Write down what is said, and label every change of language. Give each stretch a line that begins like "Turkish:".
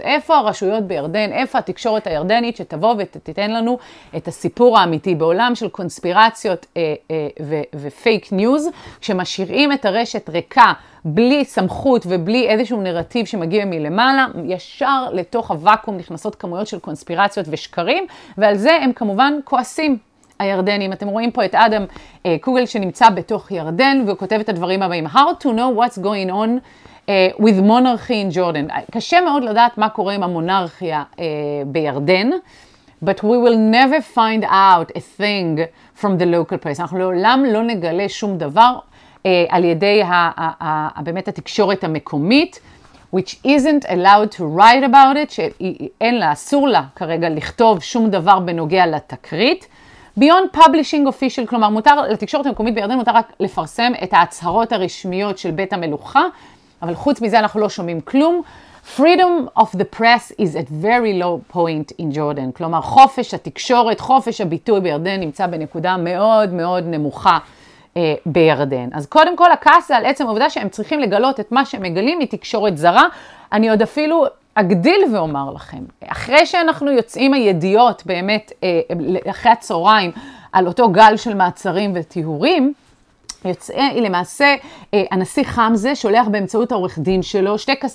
Hebrew: איפה הרשויות בירדן, איפה התקשורת הירדנית שתבוא ותיתן לנו את הסיפור האמיתי בעולם של קונספירציות ופייק ניוז, כשמשאירים את הרשת ריקה בלי סמכות ובלי איזשהו נרטיב שמגיע מלמעלה, ישר לתוך הוואקום נכנסות כמויות של קונספירציות ושקרים, ועל זה הם כמובן כועסים. הירדנים, אתם רואים פה את אדם קוגל שנמצא בתוך ירדן והוא כותב את הדברים הבאים.
English: How to know what's going on with monarchy in Jordan.
Hebrew: קשה מאוד לדעת מה קורה עם המונרכיה בירדן.
English: But we will never find out a thing from the local press.
Hebrew: אנחנו לעולם לא נגלה שום דבר על ידי באמת התקשורת המקומית.
English: Which isn't allowed to write about it.
Hebrew: שאין לה, אסור לה כרגע לכתוב שום דבר בנוגע לתקרית.
English: Beyond publishing official,
Hebrew: כלומר, מותר לתקשורת המקומית בירדן, מותר רק לפרסם את ההצהרות הרשמיות של בית המלוכה, אבל חוץ מזה אנחנו לא שומעים כלום.
English: Freedom of the press is at very low point in Jordan.
Hebrew: כלומר, חופש התקשורת, חופש הביטוי בירדן נמצא בנקודה מאוד מאוד נמוכה בירדן. אז קודם כל, הכעס על עצם העובדה שהם צריכים לגלות את מה שהם מגלים מתקשורת זרה, אני עוד אפילו אגדיל ואומר לכם, אחרי שאנחנו יוצאים הידיעות באמת אחרי הצהריים על אותו גל של מעצרים וטיהורים, יוצא למעשה הנשיא חמזה שולח באמצעות העורך דין שלו שתי